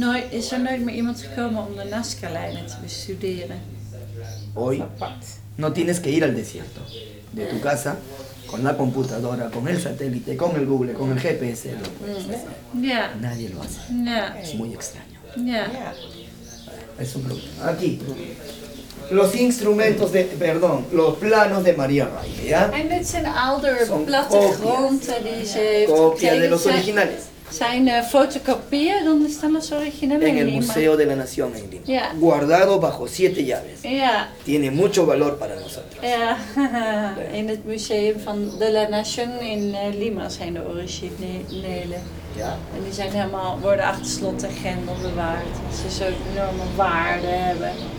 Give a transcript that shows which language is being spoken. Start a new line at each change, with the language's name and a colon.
Dutch: Is er nooit meer iemand gekomen om de Nazca-lijnen te bestuderen?
Spanish: Hoy, no tienes que ir al desierto. De tu casa, con la computadora, con el satélite, con el Google, con el GPS.
Dutch: Ja.
Spanish: Nadie lo hace.
Dutch: Ja.
Spanish: Es muy extraño.
Dutch: Ja.
Spanish: Es un problema. Aquí. Los instrumentos de, perdón, los planos de María Raíz, ¿ya?
Dutch: En dit zijn ouder plattegronden die ze heeft.
Spanish: Copia de los originales.
Dutch: Zijn fotocopieën,
Spanish: ¿dónde están los originales? En el Museo de la Nación en Lima.
Dutch: Ja.
Spanish: Guardado bajo 7 llaves.
Dutch: Ja.
Spanish: Tiene mucho valor para nosotros.
Dutch: Ja. Ja. In het Museum van de la Nación in Lima zijn de originele. Ja. En die zijn helemaal, worden achter slot en grendel bewaard. Ze zullen enorme waarde hebben.